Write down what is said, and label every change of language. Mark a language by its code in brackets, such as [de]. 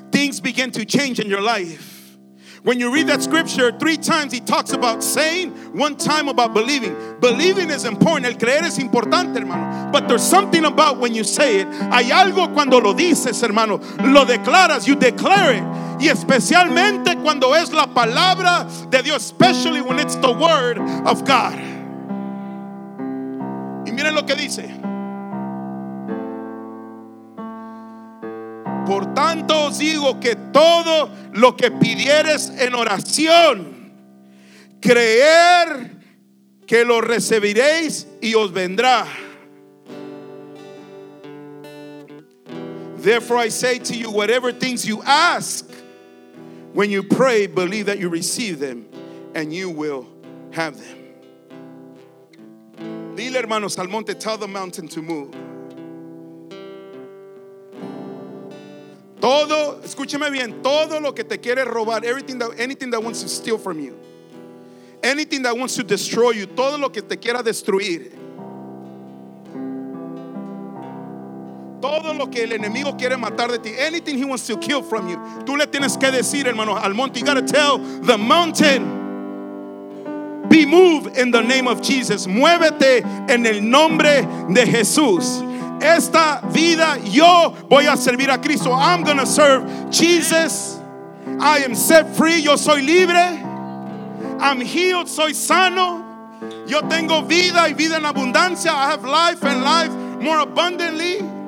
[en] Things begin to change in your life. When you read that scripture, 3 times he talks about saying, 1 time about believing. Believing is important. [es] El creer es importante, hermano. [en] But there's something about when you say it. [es] Hay algo cuando lo dices, hermano. Lo declaras. [en] You declare it. [es] Y especialmente cuando es la palabra de Dios. [en] Especially when it's the word of God. [es] Y miren lo que dice. Por tanto os digo que todo lo que pidieres en oración, creer que lo recibiréis y os vendrá. [en] Therefore I say to you, whatever things you ask, when you pray, believe that you receive them and you will have them. [es] Dile, hermanos, al monte, [en] tell the mountain to move. [es] Todo, escúcheme bien, todo lo que te quiere robar, [en] anything that wants to steal from you, anything that wants to destroy you, [es] todo lo que te quiera destruir, todo lo que el enemigo quiere matar de ti, [en] anything he wants to kill from you, [es] tú le tienes que decir, hermanos, al monte, [en] you gotta tell the mountain, be moved in the name of Jesus. [es] Muévete en el nombre de Jesús. Esta vida yo voy a servir a Cristo. [en] I'm going to serve Jesus. I am set free. [es] Yo soy libre. [en] I'm healed. [es] Soy sano. Yo tengo vida y vida en abundancia. [en] I have life and life more abundantly.